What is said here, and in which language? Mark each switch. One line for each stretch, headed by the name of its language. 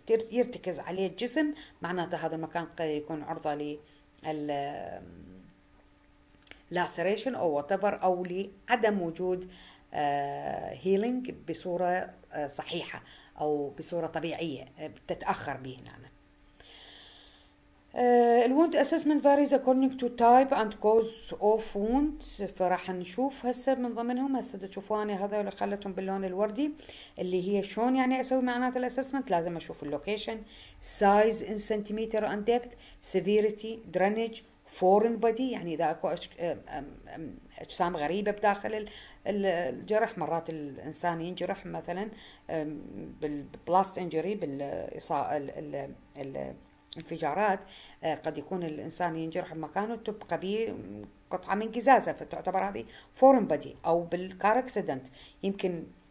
Arabic: يرتكز عليه الجسم معناته هذا المكان قد يكون عرضة لل لاسيريشن او وتفر او لعدم وجود هيلينج بصورة صحيحة أو بصورة طبيعية تتأخر به هنا.
English: الwound assessment varies according to type and cause of wound.
Arabic: فراح نشوف هسه من ضمنهم هسه تشوفوني هذا اللي خلتهم باللون الوردي اللي هي شون يعني أسوي معنات الassessment، لازم أشوف اللوكيشن
English: size in centimeter and depth severity drainage foreign body
Arabic: يعني إذا أكو أجسام غريبة بداخل الجرح، مرات الإنسان ينجرح مثلا بالبلاست انجري بالانفجارات قد يكون الإنسان ينجرح بمكانه تبقى به قطعة من قزازة فتعتبر هذه فورن بدي، أو بالكار اكسيدنت يمكن